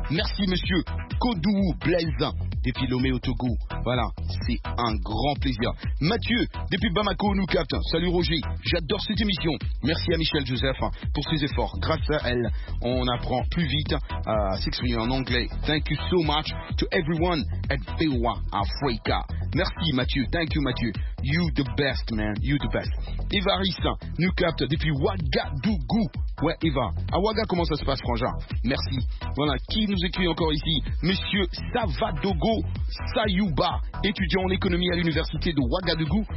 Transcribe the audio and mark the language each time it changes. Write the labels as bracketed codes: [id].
[fr] Merci, monsieur Kodou Blaise depuis Lomé au Togo. Voilà, c'est un grand plaisir. Mathieu, depuis Bamako, nous capte. Salut, Roger. J'adore cette émission. Merci à Michel Joseph pour ses efforts. Grâce à elle, on apprend plus vite à s'exprimer en anglais. [en] Thank you so much to everyone at VOA Africa. [fr] Merci, Mathieu. [en] Thank you, Mathieu. You the best, man. You the best. [fr] Évariste nous capte depuis Ouagadougou. Ouais, Eva. À Ouaga, comment ça se passe, frangin? Merci. Voilà. Qui nous écrit encore ici? Monsieur Savadogo Sayuba, étudiant en économie à l'université de Ouagadougou.